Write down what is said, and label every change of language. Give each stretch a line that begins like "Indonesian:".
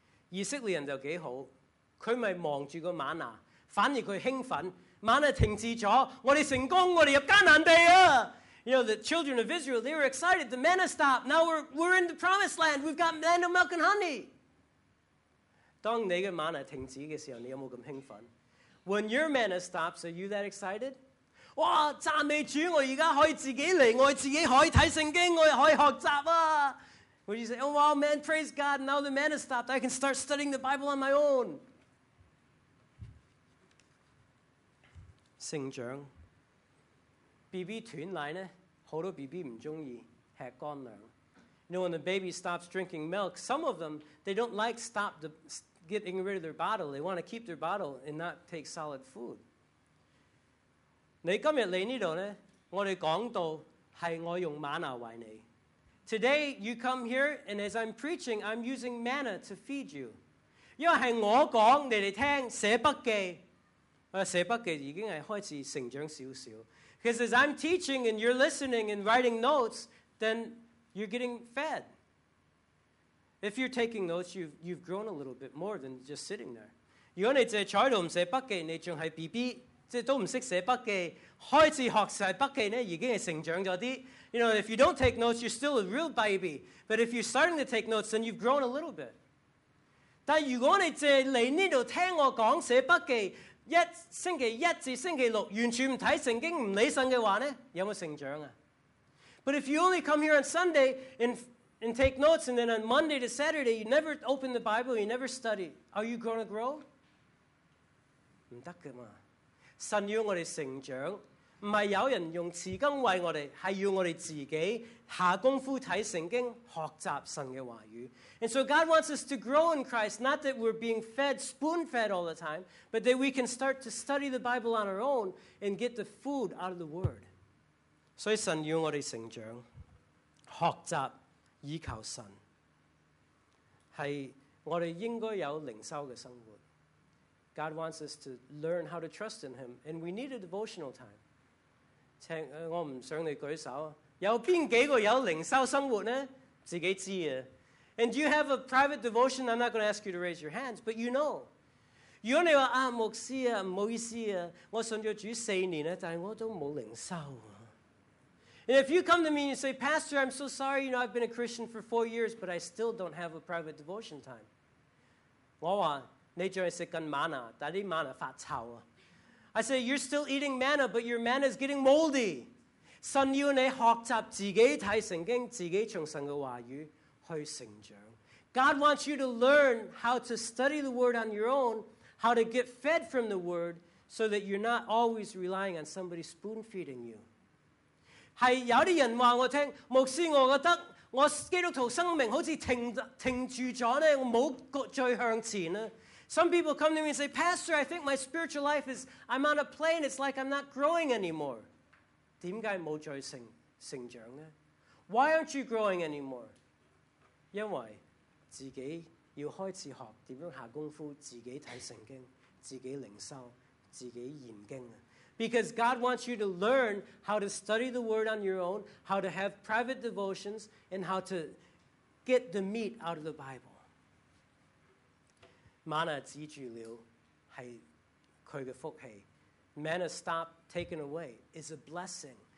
Cantonese: 以色列人就几好，佢咪望住个玛拿，反而佢兴奋。玛拿停止咗，我哋成功，我哋入迦南地啊
English: ！You know the children of Israel, they were excited. The manna stopped. Now we're in the promised land. We've got manna, milk, and honey.
Cantonese: 当你嘅玛拿停止嘅时候，你有冇咁兴奋？
English: When your manna stops, are you that excited?
Cantonese: 哇！赞美主，我而家可以自己嚟，我自己可以睇圣经，我可以学习啊
English: ！Would you say, "Oh, wow, man, praise God! Now the manna stopped. I can start studying the Bible on my own."
Cantonese: 成长 ，BB 断奶呢，好多 BB 唔中意吃干粮。
English: You know, when the baby stops drinking milk, some of them they don't like stop the. Getting rid of their bottle. They want to keep their bottle and not take solid food.
Cantonese: 你今日嚟呢度呢，我哋讲到系我用玛拿喂你。
English: Today you come here and as I'm preaching, I'm using manna to feed you.
Cantonese: 因为系我讲你哋听写笔记，写笔记已经系开始成长少少。
English: Because as I'm teaching and you're listening and writing notes, then you're getting fed. If you're taking notes, you've grown a little bit more than just sitting there.
Cantonese: 如果你只系坐喺度唔写笔记，你仲系 BB， 即系都唔识写笔记，开始学晒笔记咧，已经系成长咗啲。
English: You know, if you don't take notes, you're still a real baby. But if you're starting to take notes, then you've grown a little bit.
Cantonese: 但如果你只系嚟呢度听我讲写笔记，一星期一至星期六完全唔睇圣经唔理神嘅话咧，有冇成长啊
English: ？But if you only come here on Sunday and take notes, and then on Monday to Saturday, you never open the Bible, you never study. Are you going to grow?
Cantonese: 唔得噶嘛！神要我哋成长，唔系有人用匙羹喂我哋，系要我哋自己下功夫睇圣经，学习神嘅话语。
English: And so God wants us to grow in Christ, not that we're being fed, spoon-fed all the time, but that we can start to study the Bible on our own and get the food out of the Word.
Cantonese: 所以神要我哋成长，学习。依靠神是我们应该有灵修的生活。
English: God wants us to learn how to trust in Him, and we need a devotional time.
Cantonese: 请我不想你举手，有哪几个有灵修生活呢？自己知道。
English: And do you have a private devotion? I'm not going to ask you to raise your hands, but you know.
Cantonese: 如果你说啊，牧师啊，不好意思啊，我信了主四年了，但我都没有灵修。
English: And if you come to me and you say, Pastor, I'm so sorry, you know, I've been a Christian for 4 years, but I still don't have a private devotion time.
Cantonese: 我说你还在吃manna，但是manna发臭啊。
English: I say, you're still eating manna, but your manna is getting moldy.
Cantonese: 神要你学习自己看圣经，自己从神的话语去成长。
English: God wants you to learn how to study the word on your own, how to get fed from the word, so that you're not always relying on somebody spoon feeding you.
Cantonese: 係有啲人話我聽，牧師，我覺得我基督徒生命好似停住咗咧，我冇再向前啦。
English: Some people come to me and say, Pastor, I think my spiritual life is, I'm on a plane, it's like I'm not growing anymore.
Cantonese: 點解冇再成長呢?
English: Why aren't you growing anymore?
Cantonese: 因為自己要開始學點樣下功夫，自己睇聖經，自己靈修，自己研經。
English: Because God wants you to learn how to study the Word on your own, how to have private devotions, and how to get the meat out of the Bible.
Cantonese: Manna 止住了，係佢嘅福氣。
English: Manna stop taken away is a blessing.